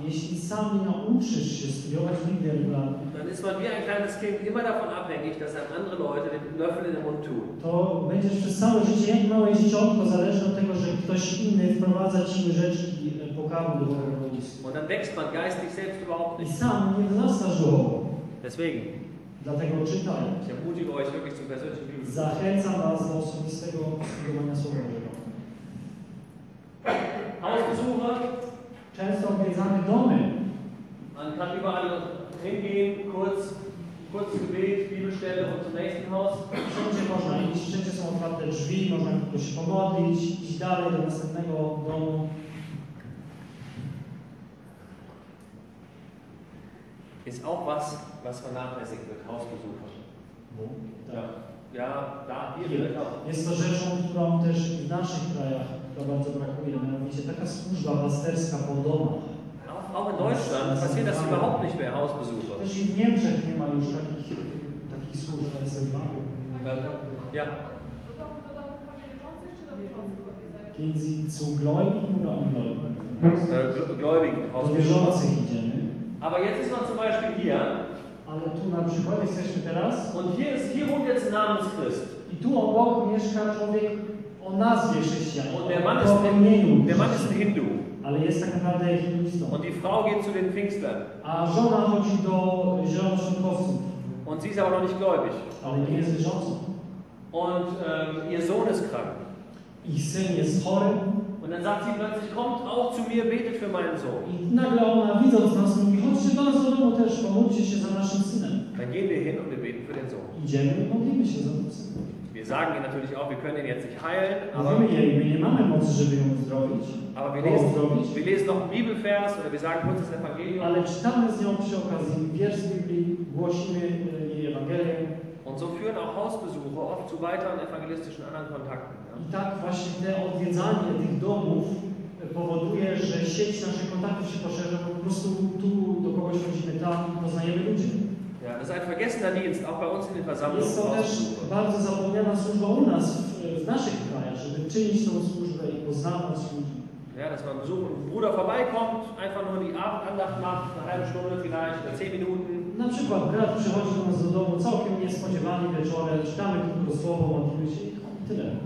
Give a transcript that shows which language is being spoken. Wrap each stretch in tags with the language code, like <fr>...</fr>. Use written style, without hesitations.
<pl>Jeśli sam nie nauczysz się studiować Biblię regularnie.</pl> <de>Dann ist man wie ein kleines Kind immer davon abhängig, dass einem andere Leute den Löffel in den Mund tun.</de> <pl>To będziesz przez całe życie jak małe dzieciątko zależne od tego, że ktoś inny wprowadza ci rzeczki pokarmu do tego.</pl> <de>Und dann wächst man geistig selbst überhaupt nicht.</de> <pl>I sam nie wzrastasz duchowo.</pl> <de>Deswegen.</de> <pl>Dlatego czytaj.</pl> <de>Ich ermutige euch wirklich zum persönlichen Bibelstudium.</de> <pl>Zachęcam was do osobistego studiowania Słowa Bożego.</pl> <de>Hausbesuche.</de> <pl>Często odwiedzamy domy.</pl> <de>Man kann überall hingehen, kurz Gebet, Bibelstelle und zum nächsten Haus.</de> <pl>Wszędzie można iść, wszędzie są otwarte drzwi, można kogoś pomodlić, iść dalej do następnego domu.</pl> <de>Ist auch was vernachlässigt wird, Hausbesuche. Wo? Da. Ja, da, hier vielleicht auch.</de> <pl>Jest to rzeczą, którą też w naszych krajach to bardzo brakuje, mianowicie taka służba pasterska po domach.</pl> <de>Auch in Deutschland passiert das überhaupt nicht mehr, Hausbesuche.</de> <pl>Też i w Niemczech nie ma już takich służb, ale jest dwa.</pl> <de>Ja. Gehen Sie zu Gläubigen oder Ungläubigen? Gläubigen, Hausbesuche. Aber jetzt ist man zum Beispiel hier.</de> <pl>Ale tu na przykład jesteśmy teraz.</pl> <de>Und hier wohnt jetzt namens Christ.</de> <pl>I tu obok mieszka człowiek o nazwie chrześcijan.</pl> <de>Und der Mann ist Hindu.</de> <pl>Ale jest tak naprawdę hinduistą.</pl> <de>Und die Frau geht zu den Pfingstern.</de> <pl>A żona chodzi do zielonoświątkowców.</pl> <de>Und sie ist aber noch nicht gläubig.</de> <pl>Ale nie jest wierzącą.</pl> <de>Und ihr Sohn ist krank.</de> <pl>I syn jest chory.</pl> <de>Und dann sagt sie plötzlich, kommt auch zu mir, betet für meinen Sohn.</de> <pl>I nagle ona widząc nas mówi, chodźcie do nas do domu też, pomódlcie się za naszym synem.</pl> <de>Dann gehen wir hin und wir beten für den Sohn.</de> <pl>Idziemy i modlimy się za tym synem.</pl> <de>Wir sagen ihr natürlich auch, wir können ihn jetzt nicht heilen.</de> <pl>My nie mamy mocy, żeby ją uzdrowić.</pl> <de>Aber wir lesen noch Bibelvers oder wir sagen kurz das Evangelium.</de> <pl>Ale czytamy z nią przy okazji wiersz z Biblii, głosimy jej Ewangelię.</pl> <de>Und so führen auch Hausbesuche oft zu weiteren evangelistischen anderen Kontakten. Ja.</de> <pl>I tak właśnie te odwiedzanie tych domów powoduje, że sieć naszych kontaktów się poszerza. Po prostu tu do kogoś chodzimy, tam poznajemy ludzi.</pl> <de>Ja, das ist ein vergessener Dienst, auch bei uns in den Versammlungen.</de> <pl>Jest to też bardzo zapomniana służba u nas, w naszych krajach, żeby czynić tą służbę i poznawać ludzi.</pl> <de>Ja, dass man besucht, ein Bruder vorbeikommt, einfach nur die Abendandacht macht, eine halbe Stunde vielleicht, oder 10 Minuten.</de> <pl>Na przykład, brat przychodzi do nas do domu całkiem niespodziewanie wieczorem, czytamy tylko słowo, modlimy się i tyle.</pl>